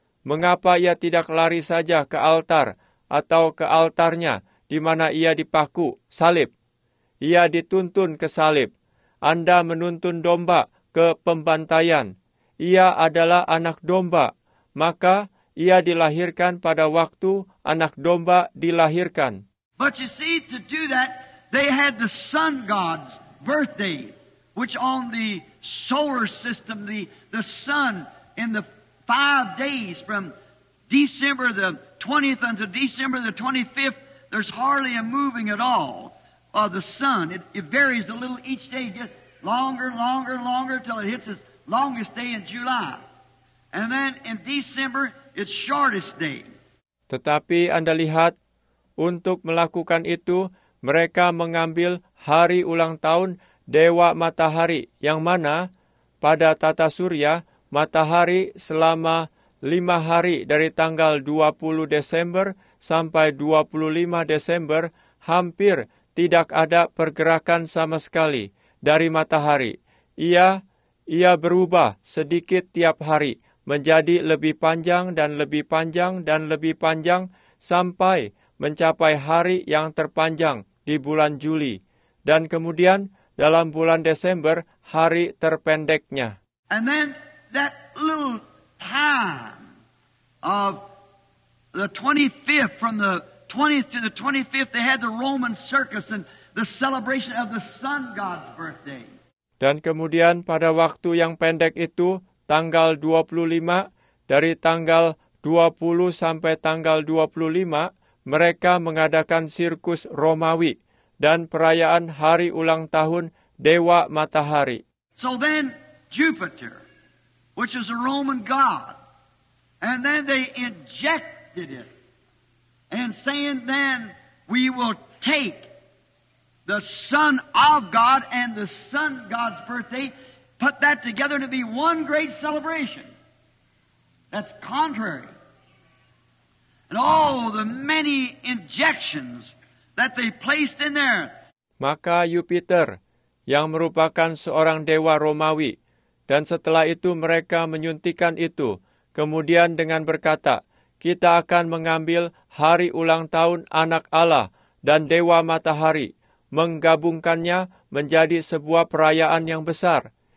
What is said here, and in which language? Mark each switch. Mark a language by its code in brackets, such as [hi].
[id] Mengapa ia tidak lari saja ke altar atau ke altarnya di mana ia dipaku, salib? Ia dituntun ke salib. Anda menuntun domba ke pembantaian. Ia adalah anak domba. Maka ia dilahirkan pada waktu anak domba dilahirkan. [en] But you see, to do that, they had the sun god's birthday, which on the solar system, the sun in the 5 days from December the 20th until December the 25th, there's hardly a moving at all of the sun. It varies a little each day, gets longer, longer, longer until it hits its longest day in July. And then in December, its shortest day. [id] Tetapi Anda lihat, untuk melakukan itu, mereka mengambil hari ulang tahun Dewa Matahari, yang mana pada tata surya, matahari selama 5 hari dari tanggal 20 Desember sampai 25 Desember hampir tidak ada pergerakan sama sekali dari matahari. Ia berubah sedikit tiap hari menjadi lebih panjang dan lebih panjang dan lebih panjang sampai mencapai hari yang terpanjang di bulan Juli. Dan kemudian dalam bulan Desember hari terpendeknya. [en] And then that little time of the 25th, from the 20th to the 25th, they had the Roman circus and the celebration of the sun god's birthday. [id] Dan kemudian pada waktu yang pendek itu, tanggal 25, dari tanggal 20 sampai tanggal 25, mereka mengadakan sirkus Romawi dan perayaan hari ulang tahun Dewa Matahari. [en] So then Jupiter, which is a Roman god, and then they injected it, and saying, then we will take the son of God and the sun god's birthday, put that together to be one great celebration. That's contrary. And all the many injections that they placed in there. [id] Maka Jupiter, yang merupakan seorang dewa Romawi, dan setelah itu mereka menyuntikan itu, kemudian dengan berkata, kita akan mengambil hari ulang tahun anak Allah dan Dewa Matahari, menggabungkannya menjadi sebuah perayaan yang besar.